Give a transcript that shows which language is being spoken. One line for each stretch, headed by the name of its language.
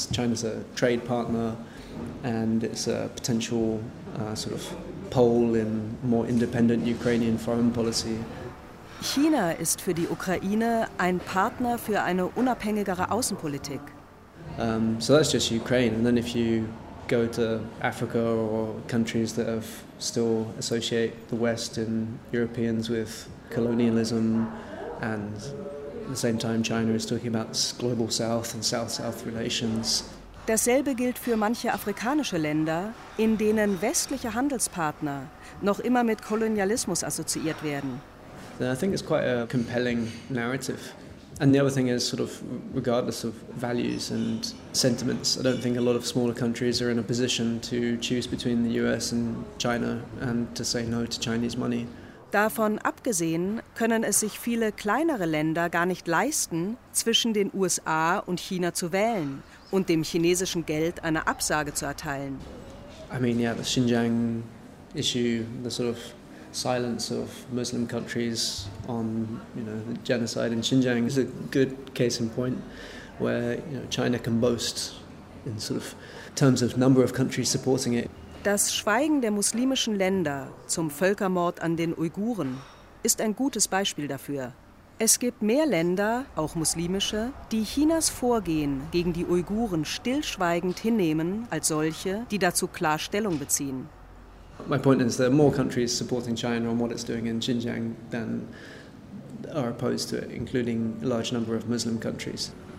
English: China's a trade partner and it's a potential sort of pole in more independent Ukrainian foreign policy.
German: China ist für die Ukraine ein Partner für eine unabhängigere Außenpolitik.
English: So that's just Ukraine. And then if you go to Africa or countries that have still associate the West and Europeans with colonialism and at the same time China is talking about global South and South-South relations.
German: Dasselbe gilt für manche afrikanische Länder, in denen westliche Handelspartner noch immer mit Kolonialismus assoziiert werden.
English: Then I think it's quite a compelling narrative. And the other thing is sort of regardless of values and sentiments, I don't think a lot of smaller countries are in a position to choose between the US and China and to say no to Chinese money.
German: Davon abgesehen können es sich viele kleinere Länder gar nicht leisten, zwischen den USA und China zu wählen und dem chinesischen Geld eine Absage zu erteilen.
English: I mean, yeah, the Xinjiang issue, the sort of silence of Muslim countries on, you know, the genocide in Xinjiang is a good case in point, where, you know, China can boast in sort of terms of number of countries supporting it.
German: Das Schweigen der muslimischen Länder zum Völkermord an den Uiguren ist ein gutes Beispiel dafür. Es gibt mehr Länder, auch muslimische, die Chinas Vorgehen gegen die Uiguren stillschweigend hinnehmen als solche, die dazu klar Stellung beziehen.
English: My point is, there are more countries supporting China and what it's doing in Xinjiang than are opposed to it, including a large number of Muslim countries.